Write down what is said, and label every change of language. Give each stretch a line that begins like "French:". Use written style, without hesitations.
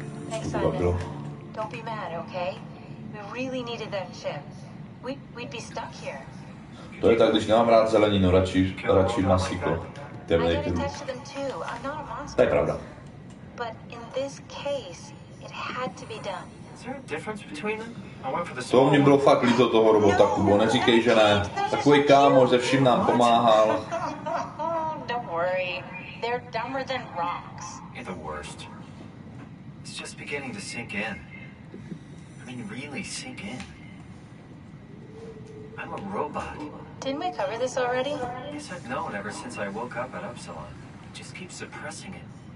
English: Hey Simon, don't be mad, okay? We really needed that chip. We'd be stuck here.
Czech: To je tak, když nemám rád zeleninu, radši masíko. Temnej kedlub. To je pravda.
English: But in this case, it had to be done.
Czech: To mě bylo fakt líto toho robota, Kubo, neříkej, že ne. Takový kámoš ze vším nám pomáhal.
English: Don't worry. They're dumber than rocks. You're the worst. It's just beginning to sink in. I mean, really sink in. I'm a robot. Didn't we cover this already? He said no, and ever since I woke up at Upsilon, it just keeps suppressing it.